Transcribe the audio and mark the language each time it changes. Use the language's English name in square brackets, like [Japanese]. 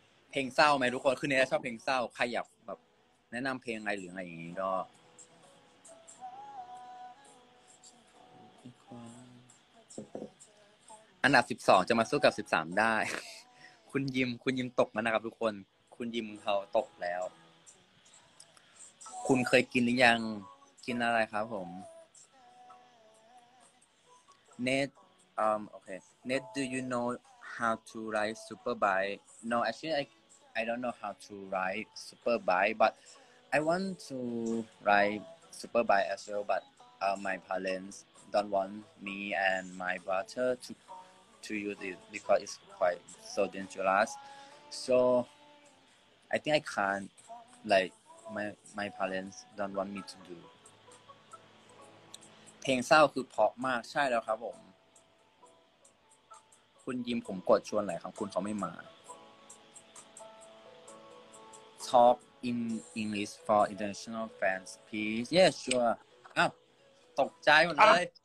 [Thai] เพลงเศร้าไหมทุกคนคือเนยชอบเพลงเศร้าใครอยากแบบแนะนำเพลงอะไรหรืออะไรอย่างงี้ก็อันดับ12จะมาสู้กับ13ได้คุณยิมคุณยิมตกมานะครับทุกคนคุณยิมเขาตกแล้วคุณเคยกินหรือยังกินอะไรครับผม [English] Net, okay. Net, do you know how to ride super bike? No, actually, I don't know how to ride super bike, but I want to ride super bike as well. But my parents don't want me and my brother to use it because it's quite so dangerous. So I think I can't, like, my parents don't want me to do. [Thai] เพลงเศร้าคือเพราะมากใช่แล้วครับผมคุณยิมผมกดชวนหลายครั้งคุณเขาไม่มา [English] Talk in English for international fans please yes sure [Thai] อ้าวตกใจหมดเลย